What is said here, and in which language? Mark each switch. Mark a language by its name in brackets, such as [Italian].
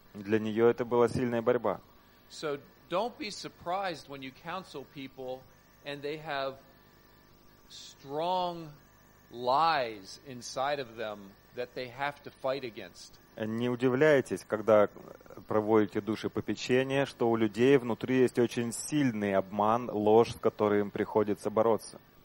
[Russian] Для нее это была сильная борьба. [English] So don't be surprised when you counsel people and they have strong lies inside of them that they have to fight against. [Russian] Не удивляйтесь, когда проводите душепопечение, что у людей внутри есть очень сильный обман, ложь, с которой им приходится бороться.